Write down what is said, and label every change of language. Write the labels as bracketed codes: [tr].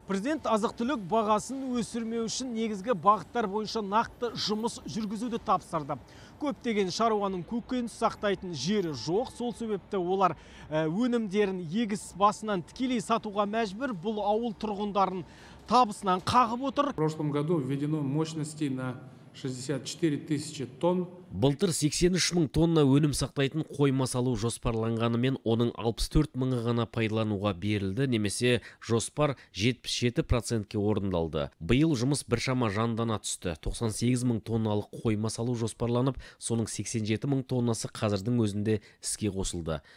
[kk] Президент азық-түлік бағасын өсірмеу үшін негізгі бағыттар бойынша нақты жұмыс жүргізуді тапсырды. Көптеген шаруаның көкөніс сақтайтын жері жоқ, сол себепті олар өнімдерін егіс басынан тікелей сатуға мәжбүр. Бұл ауыл тұрғындарын табысынан қағып отыр. [ru] В прошлом году введено мощности на 64 тысячи тонн. [kk] Былтыр 83 мың тонна өнім сақтайтын қойма салу жоспарланғанымен оның 64 мыңы ғана пайдалануға берілді, немесе жоспар 77%-ке орындалды. Биыл жұмыс біршама жандана түсті. 98 мың тонналық қойма салу жоспарланып, соның 87 мың тоннасы қазірдің өзінде іске қосылды.